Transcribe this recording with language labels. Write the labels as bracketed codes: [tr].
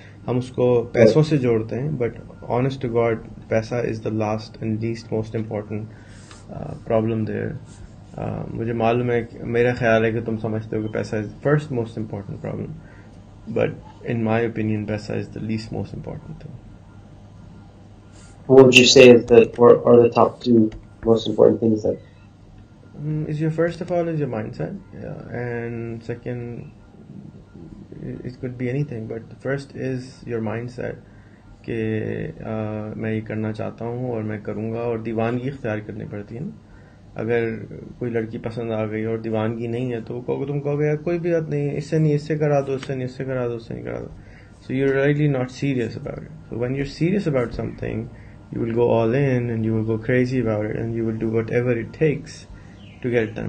[hi] हम उसको पैसों से जोड़ते हैं, [en] But honest to God पैसा is the last and least most important problem there. [hi] मुझे मालूम है, मेरा ख्याल है कि तुम समझते हो कि पैसा [en] Is first most important problem, but in my opinion पैसा is the least most important thing. What would you say is the are the top two most important things that Is your first of all is your mindset, and second, it could be anything, but first is your mindset [hi] कि मैं ये करना चाहता हूँ और मैं करूँगा. और दीवानगी इख्तियार करनी पड़ती है ना, अगर कोई लड़की पसंद आ गई और दीवानगी नहीं है तो वो कहोगे, तुम कहोगे यार कोई भी बात नहीं, इससे नहीं इससे करा दो, इससे नहीं इससे करा दो, इससे नहीं करा दो. [en] So you are really not serious about it. So when you are serious about something you will go all in and you will go crazy about it and you will do whatever it takes to get done.